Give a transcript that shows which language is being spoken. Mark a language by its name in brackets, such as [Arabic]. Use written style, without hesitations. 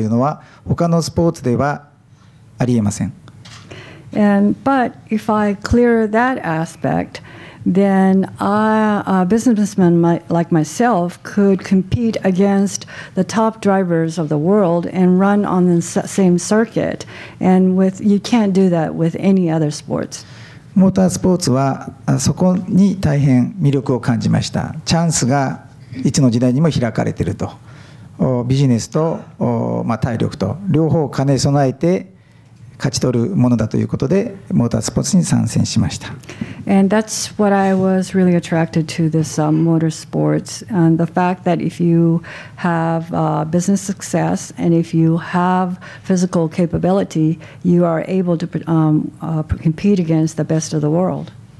[Japanese] しかしながら、それをクリアすれば私のようなビジネスマンもその世界のトップドライバーと同じサーキットで同じ時間を共有できるというのは他のスポーツではありえません。 [English] And but if I clear that aspect, then a businessman like myself could compete against the top drivers of the world and run on the same circuit. And with you can't do that with any other sports. [Japanese] モータースポーツはそこに大変魅力を感じました。チャンスがいつの時代にも開かれていると、ビジネスと体力と両方兼ね備えて。勝ち取るものだということでモータースポーツに参戦しました。 [English] And that's what I was really attracted to this motorsports and the fact that if you have business success and if you have physical capability, you are able to compete against the best of the world.